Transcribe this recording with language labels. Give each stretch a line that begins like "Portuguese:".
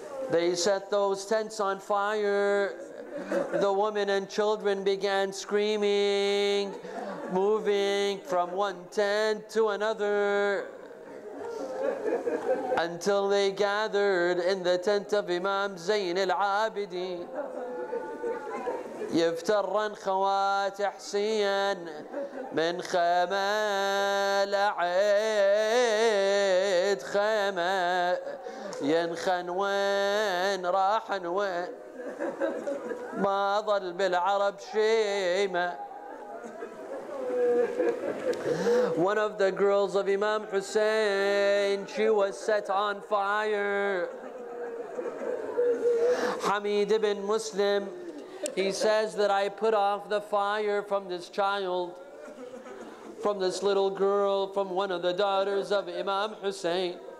English: They set those tents on fire. The women and children began screaming, moving from one tent to another. until they gathered in the tent of Imam Zain al-Abidin.
Arabic: يفترن خوات حسين من خيمة لعيد خيمة ينخن وين راحن وين ما ظل بالعرب شيمة.
English: One of the girls of Imam Hussein, she was set on fire. Hamid ibn Muslim, he says that I put off the fire from this child, from this little girl, from one of the daughters of Imam Hussein.